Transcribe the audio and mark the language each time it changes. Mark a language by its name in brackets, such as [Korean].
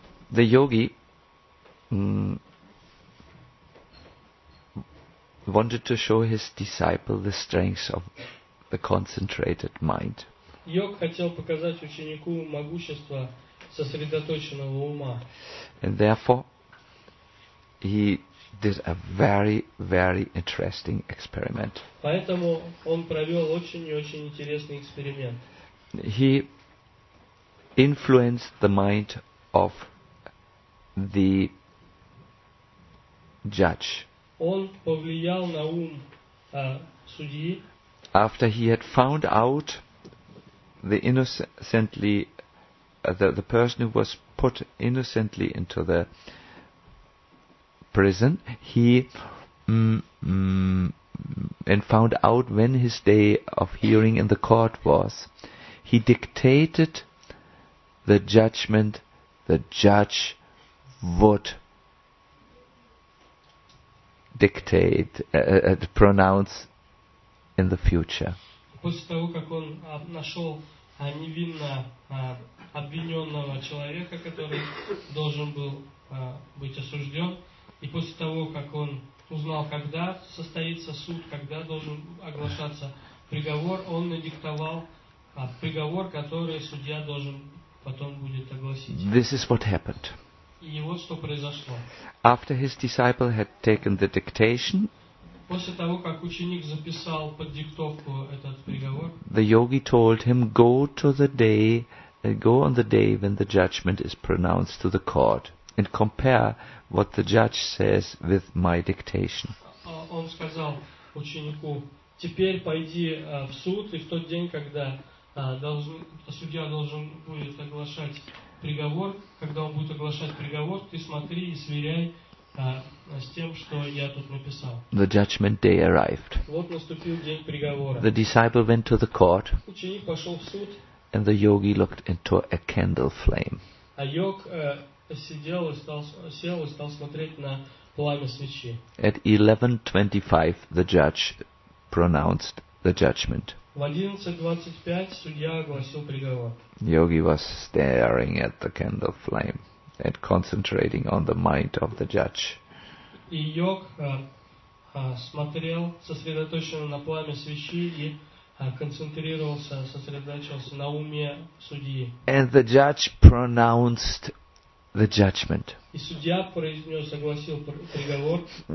[English] The yogi wanted to show his disciple the strength of the concentrated mind. [Russian] Йог хотел показать ученику могущество сосредоточенного ума. [English] And therefore, he did a very, very interesting experiment. [Russian] Поэтому он провел очень и очень интересный эксперимент. [English] He influenced the mind of the judge. [Russian] Он повлиял на ум судьи. [English] After he had found out the person who was put innocently into the prison, he and found out when his day of hearing in the court was, he dictated the judgment the judge would dictate, pronounce in the future. [Russian] после того, как он нашел невинно обвиненного человека, который должен был быть осужден, и после того, как он узнал, когда состоится суд, когда должен оглашаться приговор, он надиктовал приговор, который судья должен потом будет огласить. [English] This is what happened. [Russian] И вот что произошло. [English] After his disciple had taken the dictation, [Russian] после того, как ученик записал под диктовку этот приговор, [English] the yogi told him, go to the day, go on the day when the judgment is pronounced to the court and compare what the judge says with my dictation. [Russian] Он сказал ученику, теперь пойди в суд, и в тот день, когда судья должен будет оглашать приговор, когда он будет оглашать приговор, ты смотри и сверяй с тем, что я тут написал. [English] The judgment day arrived. [Russian] Вот наступил день приговора. [English] The disciple went to the court. [Russian] Ученик пошел в суд. [English] And the yogi looked into a candle flame. [Russian] А йог сидел и стал, сел и стал смотреть на пламя свечи. [English] At 11:25 the judge pronounced the judgment. [Russian] В 11:25 судья огласил приговор. [English] Yogi was staring at the candle flame and concentrating on the mind of the judge. [Russian] И йог смотрел сосредоточенно на пламя свечи и концентрировался, сосредоточился на уме судьи. [English] And the judge pronounced the judgment. [Russian] И судья произнес, огласил приговор.